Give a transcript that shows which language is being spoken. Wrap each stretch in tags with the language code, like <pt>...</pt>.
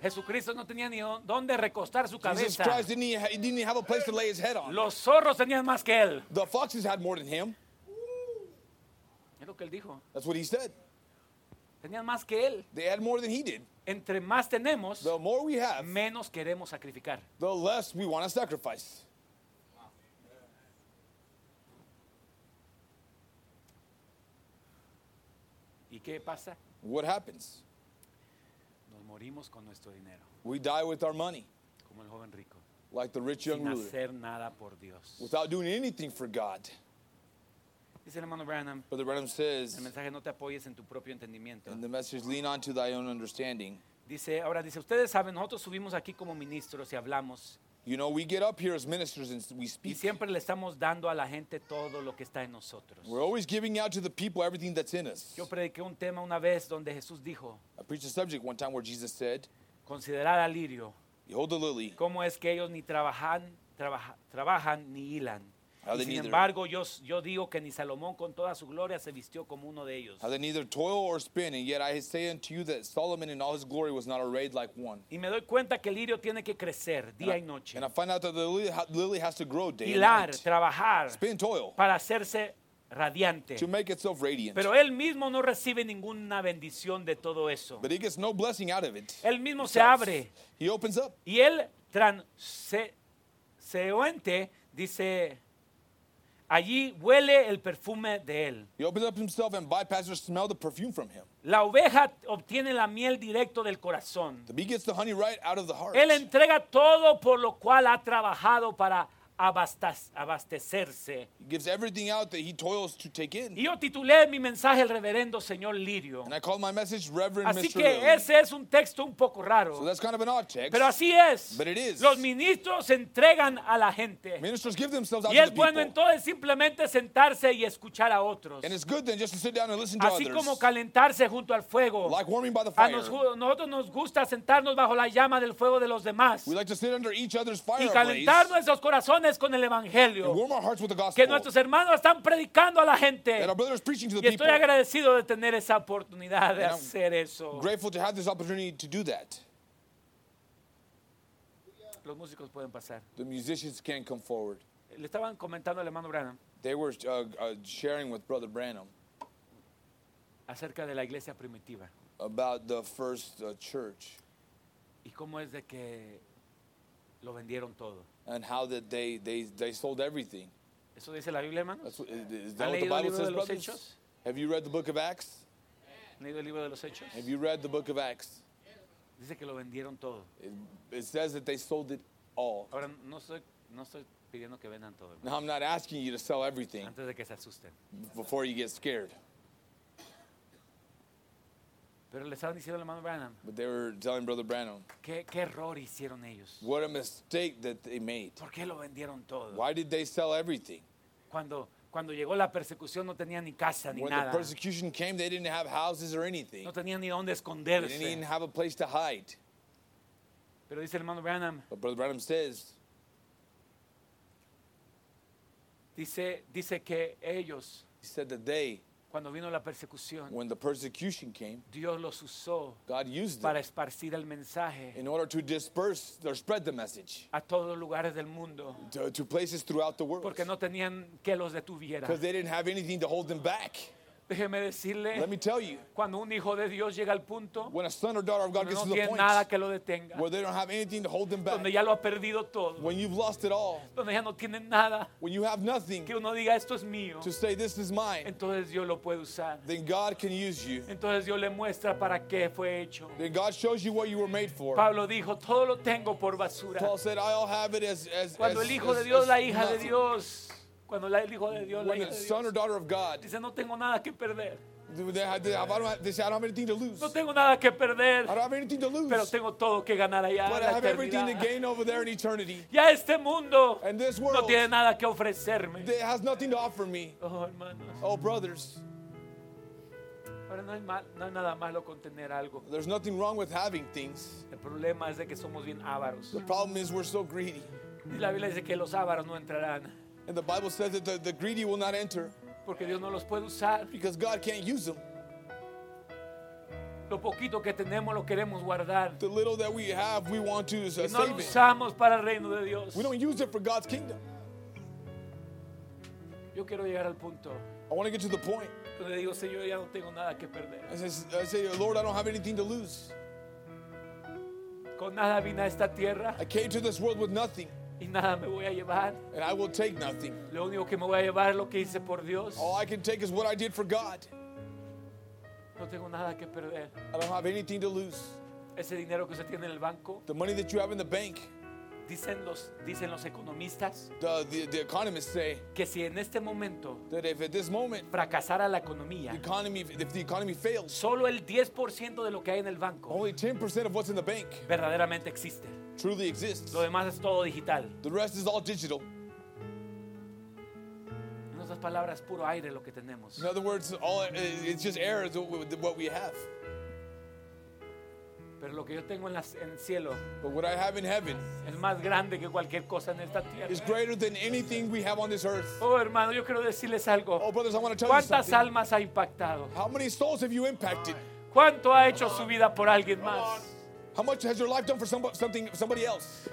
<es>Jesucristo no tenía ni dónde recostar su cabeza.</es> <en>Jesus Christ didn't have a place to lay his head on.</en> <es>Los zorros tenían más que él.</es> <en>The foxes had more than him.</en> <es>Es lo que él dijo.</es> <en>That's what he said.</en> <es>Tenían más que él.</es> <en>They had more than he did.</en> <es>Entre más tenemos,</es> <en>the more we have,</en> <es>menos queremos sacrificar.</es> <en>The less we want to sacrifice.</en> <es>¿Y qué pasa?</es> <en>What happens?</en> <es>Nos morimos con nuestro dinero.</es> <en>We die with our money.</en> <es>Como el joven rico.</es> <en>Like the rich young ruler.</en> <es>Sin hacer nada por Dios.</es> <en>Without doing anything for God.</en> <es>Dice el hermano Branham.</es> <en>Brother Branham says.</en> <es>El mensaje no te apoyes en tu propio entendimiento.</es> <en>In the message, lean onto thy own understanding.</en> <es>Dice, ahora dice, ustedes saben, nosotros subimos aquí como ministros y hablamos.</es> <en>You know, we get up here as ministers and we speak.</en> <es>Y siempre le estamos dando a la gente todo lo que está en nosotros.</es> <en>We're always giving out to the people everything that's in us.</en> <es>Yo prediqué un tema una vez donde Jesús dijo,</es> <en>I preached a subject one time where Jesus said,</en> <es>considerad al lirio.</es> <en>Behold the lily.</en> <es>¿Cómo es que ellos ni trabajan ni hilan?</es> <en>How they</en> <es>sin embargo, yo digo que ni Salomón con toda su gloria se vistió como uno de ellos.</es> <en>How they neither toil or spin, and yet I say unto you that Solomon in all his glory was not arrayed like one.</en> <es>Y me doy cuenta que el lirio tiene que crecer día y noche.</es> <en>And I find out that the lily has to grow day</en> <es>hilar,</es> <en>and night.</en> <es>Trabajar.</es> <en>Spin, toil.</en> <es>Para hacerse radiante.</es> <en>To make itself radiant.</en> <es>Pero él mismo no recibe ninguna bendición de todo eso.</es> <en>But he gets no blessing out of it.</en> <es>Él mismo</es> <en>himself.</en> <es>Se abre.</es> <en>He opens up.</en> <es>Y él transeúnte dice, allí huele el perfume de él.</es> <en>He opens up himself and bypassers smell the perfume from him.</en> <es>La oveja obtiene la miel directo del corazón.</es> <en>The bee gets the honey right out of the heart.</en> <es>Él entrega todo por lo cual ha trabajado para abastecerse.</es> <en>He gives everything out that he toils to take in.</en> <es>Y yo titulé mi mensaje el reverendo señor Lirio.</es> <en>And I call my message Reverend</en> <es>así</es> <en>Mr.</en> <es>que Lirio. Ese es un texto un poco raro.</es> <en>So that's kind of an odd text.</en> <es>Pero así es.</es> <en>But it is.</en> <es>Los ministros entregan a la gente.</es> <en>Ministers give themselves out</en> <es>y es</es> <en>to the</en> <es>bueno Entonces simplemente sentarse y escuchar a otros.</es> <en>And it's good then just to sit down and listen to</en> <es>así</es> <en>others.</en> <es>Como calentarse junto al fuego.</es> <en>Like warming by the fire.</en> <es>A nosotros nos gusta sentarnos bajo la llama del fuego de los demás.</es> <en>We like to sit under each other's fire.</en> <es>Y calentar nuestros corazones con el evangelio que nuestros hermanos están predicando a la gente y estoy</es> <en>people.</en> <es>Agradecido de tener esa oportunidad de hacer eso.</es> <en>Grateful to have this opportunity to do that.</en> <es>Los músicos pueden pasar.</es> <en>The musicians can come forward.</en> <es>Le estaban comentando al hermano Branham.</es> <en>They were sharing with Brother Branham.</en> <es>Acerca de la iglesia primitiva.</es> <en>About the first church.</en> <es>Y cómo es de que lo vendieron todo.</es> <en>And how that they sold everything.</en> <es>Eso dice la Biblia, hermanos.</es> <en>Is that what the Bible says, brothers? Hechos? Have you read the book of Acts?</en> <es>¿Leído el libro de los Hechos?</es> <en>Have you read the book of Acts?</en> <es>Dice que lo vendieron todo.</es> <en>It says that they sold it all.</en> <es>Ahora no estoy pidiendo que vendan todo.</es> <en>Now I'm not asking you to sell everything.</en> <es>Antes de que se asusten.</es> <en>Before you get scared.</en> <es>Pero le estaban diciendo al hermano Branham.</es> <en>But they were telling Brother Branham.</en> <es>¿Qué error hicieron ellos?</es> <en>What a mistake that they made.</en> <es>¿Por qué lo vendieron todo?</es> <en>Why did they sell everything?</en> <es>Cuando llegó la persecución no tenían ni casa ni</es> <en>when</en> <es>nada.</es> <en>When the persecution came they didn't have houses or anything.</en> <es>No tenían ni dónde esconderse.</es> <en>They didn't have a place to hide.</en> <es>Pero dice el hermano Branham.</es> <en>But Brother Branham says.</en> <es>Dice que ellos.</es> <en>He said that they.</en> <es>Cuando vino la persecución,</es> <en>when the persecution came,</en> <es>Dios los usó,</es> <en>God used</en> <es>para esparcir el mensaje,</es> <en>in order to disperse or spread the message,</en> <es>a todos los lugares del mundo,</es> <en>to places throughout the world,</en> <es>porque no tenían que los detuviera,</es> <en>because they didn't have anything to hold them back.</en> <es>Déjeme decirle,</es> <en>let me tell you,</en> <es>cuando un hijo de Dios llega al punto,</es> <en>when a son or daughter of God gets</en> <es>no</es> <en>to the point,</en> <es>nada que lo detenga,</es> <en>where they don't have anything to hold them back,</en> <es>donde ya lo ha perdido todo,</es> <en>when you've lost it all,</en> <es>donde ya no tienen nada,</es> <en>when you have nothing,</en> <es>que uno diga esto es mío,</es> <en>to say this is mine,</en> <es>entonces Dios lo puede usar,</es> <en>then God can use you,</en> <es>entonces Dios le muestra para qué fue hecho,</es> <en>then God shows you what you were made for.</en> <es>Pablo dijo, todo lo tengo por basura.</es> <en>Paul said, I all have it as</en> <es>cuando el hijo de Dios, la hija de Dios. Cuando el hijo de Dios,</es> <en>when the son or daughter of God,</en> <es>dice, no tengo nada que perder.</es> <en>They say, I don't have anything to lose.</en> <es>No tengo nada que perder.</es> <en>I don't have anything to lose.</en> <es>Pero tengo todo que ganar allá.</es> <en>But I have</en> <es>eternidad.</es> <en>Everything to gain over there in eternity.</en> <es>Ya este mundo</es> <en>and this world</en> <es>no tiene nada que ofrecerme.</es> <en>It has nothing to offer me.</en> <es>Oh, hermanos.</es> <en>Oh, brothers.</en> <es>Pero no hay nada malo con tener algo.</es> <en>There's nothing wrong with having things.</en> <es>El problema es de que somos bien avaros.</es> <en>The problem is we're so greedy.</en> <es>Y la Biblia dice que los avaros no entrarán.</es> <en>And the Bible says that the greedy will not enter.</en> <es>Porque Dios no los puede usar.</es> <en>Because God can't use them.</en> <es>Lo poquito que tenemos lo queremos guardar.</es> <en>The little that we have, we want to save it.</en> <es>No lo usamos para el reino de Dios.</es> <en>We don't use it for God's kingdom.</en> <es>Yo quiero llegar al punto.</es> <en>I want to get to the point.</en> <es>Donde digo, Señor, ya no tengo nada que perder.</es> <en>I say, Lord, I don't have anything to lose.</en> <es>Con nada vine a esta tierra.</es> <en>I came to this world with nothing.</en> <es>Y nada me voy a llevar.</es> <en>And I will take nothing.</en> <es>Lo único que me voy a llevar es lo que hice por Dios.</es> <en>All I can take is what I did for God.</en> <es>No tengo nada que perder.</es> <en>I don't have anything to lose.</en> <es>Ese dinero que usted tiene en el banco.</es> <en>The money that you have in the bank.</en> <es>Dicen los economistas.</es> <en>The economists say.</en> <es>Que si en este momento.</es> <en>That if at this moment.</en> <es>Fracasara la economía.</es> <en>The economy, if the economy fails.</en> <es>Solo el 10% de lo que hay en el banco.</es> <en>Only 10% of what's in the bank.</en> <es>Verdaderamente existe.</es> <en>Truly exists.</en> <es>Lo demás es todo digital.</es> <en>The rest is all digital.</en> <es>En otras palabras, puro aire lo que tenemos.</es> <en>In other words, all it's just air is what we have.</en> <es>Pero lo que yo tengo en el cielo,</es> <en>but what I have in heaven,</en> <es>es más grande que cualquier cosa en esta tierra.</es> <en>Is greater than anything we have on this earth.</en> <es>Oh, hermano, yo quiero decirles algo.</es> <en>Oh, brothers, I want to tell you something.</en> <es>¿Cuántas almas ha impactado?</es> <en>How many souls have you impacted?</en> <es>¿Cuánto ha hecho su vida por alguien más?</es> <en>How much has your life done for somebody else?</en>